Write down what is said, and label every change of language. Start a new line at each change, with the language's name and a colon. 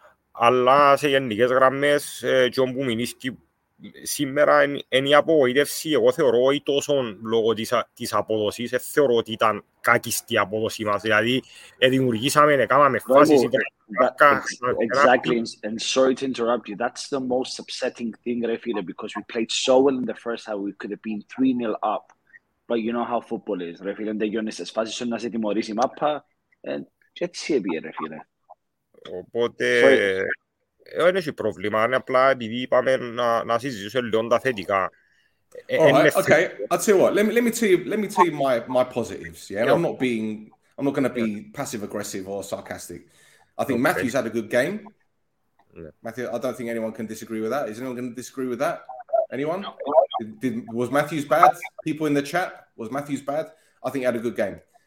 Greek: Αλλά σε γενικές γραμμές, και όμως μηνίσκει σήμερα είναι η απογοήτευση. Εγώ θεωρώ ότι τόσο λόγω της απόδοσης, θεωρώ ότι ήταν κακιστή η απόδοσή μας. Δηλαδή, δημιουργήσαμε, κάναμε φάσεις.
English: Exactly. And sorry to interrupt you. That's the most upsetting thing, Refida, because we played so well in the first half. We could have been 3-0 up. But you know how football is, Refida. And they're going to say,
Greek: σε να σε τιμωρήσει η μάπα. And έτσι έπιε, Refida. Οπότε... Δεν έχει πρόβλημα, είναι απλά επειδή είπαμε να συζητήσουμε λίγο τα θετικά.
English: Okay, I'll tell you what. Let me tell you my positives. Yeah, and I'm not going to be passive aggressive or sarcastic. I think Matthew's had a good game. Yeah. Matthew, I don't think anyone can disagree with that. Is anyone going to disagree with that? Anyone? Was Matthew's bad? People in the chat, was Matthew's bad? I think he had a good game.